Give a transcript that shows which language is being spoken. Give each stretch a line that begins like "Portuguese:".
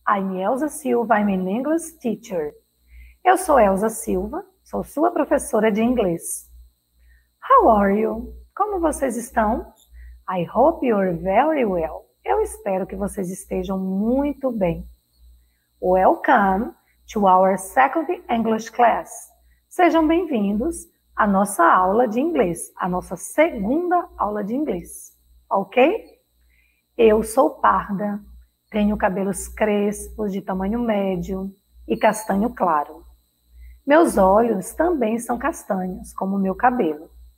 English: I'm Elsa Silva, I'm an English teacher.
Portuguese: Eu sou Elsa Silva, sou sua professora de inglês.
English: How are you?
Portuguese: Como vocês estão?
English: I hope you're very well.
Portuguese: Eu espero que vocês estejam muito bem.
English: Welcome to our second English class.
Portuguese: Sejam bem-vindos à nossa aula de inglês, à nossa segunda aula de inglês. Ok? Eu sou parda, tenho cabelos crespos de tamanho médio e castanho claro. Meus olhos também são castanhos, como o meu cabelo.